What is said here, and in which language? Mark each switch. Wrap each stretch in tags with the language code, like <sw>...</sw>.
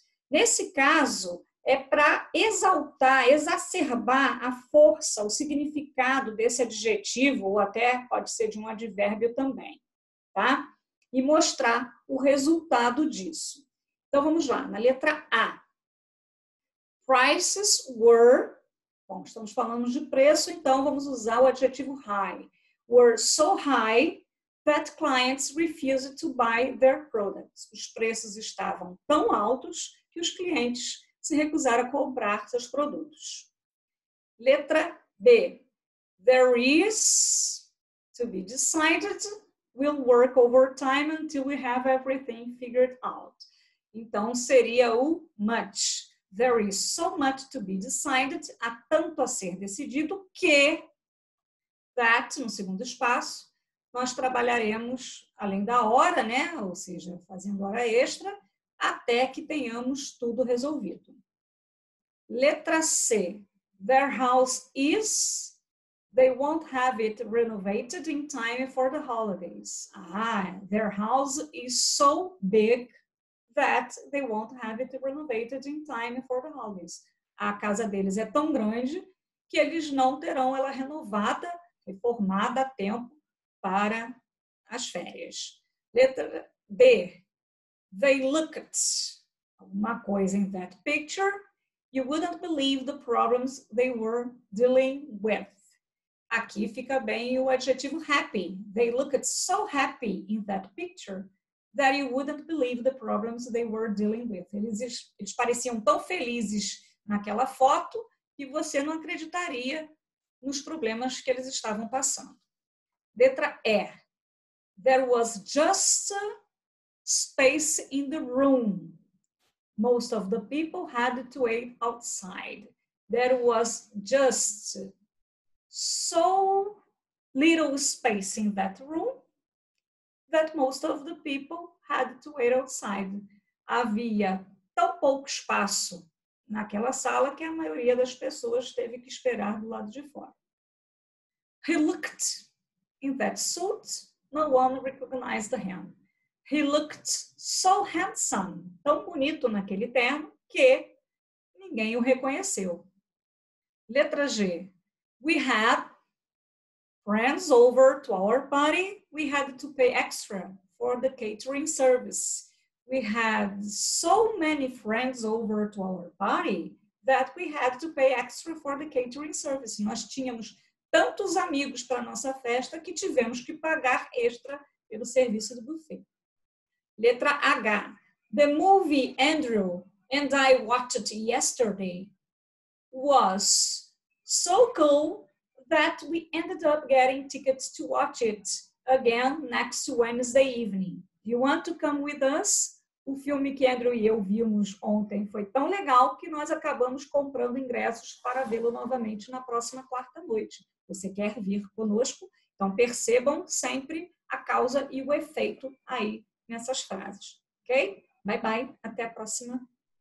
<pt>Nesse caso, é para exaltar, exacerbar a força, o significado desse adjetivo, ou até pode ser de um advérbio também, tá? E mostrar o resultado disso. Então, vamos lá, na letra A.</pt> <en>Prices were,</en> <pt>bom, estamos falando de preço, então vamos usar o adjetivo high.</pt> <en>Were so high that clients refused to buy their products.</en> <pt>Os preços estavam tão altos que os clientes se recusaram a comprar seus produtos. Letra B.</pt> <en>There is to be decided. We'll work overtime until we have everything figured out.</en> <pt>Então, seria o much.</pt> <en>There is so much to be decided.</en> <pt>Há tanto a ser decidido que that, no segundo espaço, nós trabalharemos além da hora, né? Ou seja, fazendo hora extra, até que tenhamos tudo resolvido. Letra C.</pt> <en>Their house is... They won't have it renovated in time for the holidays. Their house is so big that they won't have it renovated in time for the holidays.</en> <pt>A casa deles é tão grande que eles não terão ela renovada, reformada a tempo para as férias. Letra B.</pt> <en>They looked</en> <pt>alguma coisa</pt> <en>in that picture. You wouldn't believe the problems they were dealing with.</en> <pt>Aqui fica bem o adjetivo</pt> <en>happy. They looked so happy in that picture that you wouldn't believe the problems they were dealing with.</en> <pt>Eles pareciam tão felizes naquela foto que você não acreditaria nos problemas que eles estavam passando. Letra E.</pt> <en>There was just space in the room. Most of the people had to wait outside. There was just so little space in that room that most of the people had to wait outside.</en> <pt>Havia tão pouco espaço naquela sala que a maioria das pessoas teve que esperar do lado de fora.</pt> <en>He looked in that suit. No one recognized him. He looked so handsome,</en> <pt>tão bonito naquele terno, que ninguém o reconheceu. Letra G.</pt> <en>We had friends over to our party. We had to pay extra for the catering service. We had so many friends over to our party that we had to pay extra for the catering service.</en> <pt>Nós tínhamos tantos amigos para a nossa festa que tivemos que pagar extra pelo serviço do buffet. Letra H.</pt> <en>The movie Andrew and I watched yesterday was so cool that we ended up getting tickets to watch it again next Wednesday evening. You want to come with us?</en> <pt>O filme que Andrew e eu vimos ontem foi tão legal que nós acabamos comprando ingressos para vê-lo novamente na próxima quarta noite. Você quer vir conosco? Então percebam sempre a causa e o efeito aí nessas frases, ok?</pt> <en>Bye, bye.</en> <pt>Até a próxima.</pt>